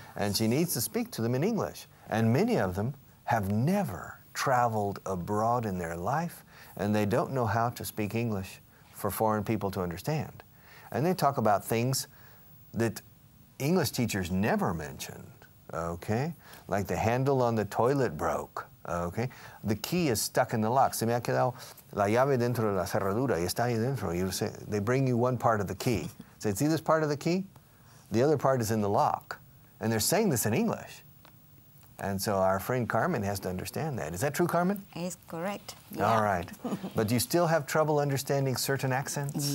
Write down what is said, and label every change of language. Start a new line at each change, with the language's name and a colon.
English: And she needs to speak to them in English. And many of them have never traveled abroad in their life, and they don't know how to speak English for foreign people to understand. And they talk about things that English teachers never mention, okay? Like the handle on the toilet broke, okay? The key is stuck in the lock.
Spanish: Se me ha quedado la llave dentro de la cerradura, y está ahí dentro.
English: You say, they bring you one part of the key. Say, see this part of the key? The other part is in the lock. And they're saying this in English. And so our friend Carmen has to understand that. Is that true, Carmen? It's correct. Yeah. All right. But do you still have trouble understanding certain accents?